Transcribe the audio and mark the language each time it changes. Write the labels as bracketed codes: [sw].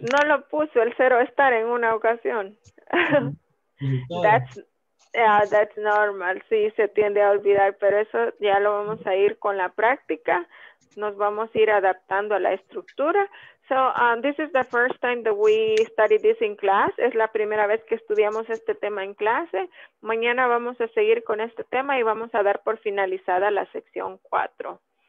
[es] No lo puso el cero estar en una ocasión. [en] That's normal. [es] Sí, se tiende a olvidar, pero eso ya lo vamos a ir con la práctica. Nos vamos a ir adaptando a la estructura. [en] So, this is the first time that we studied this in class. [es] Es la primera vez que estudiamos este tema en clase. Mañana vamos a seguir con este tema y vamos a dar por finalizada la sección 4.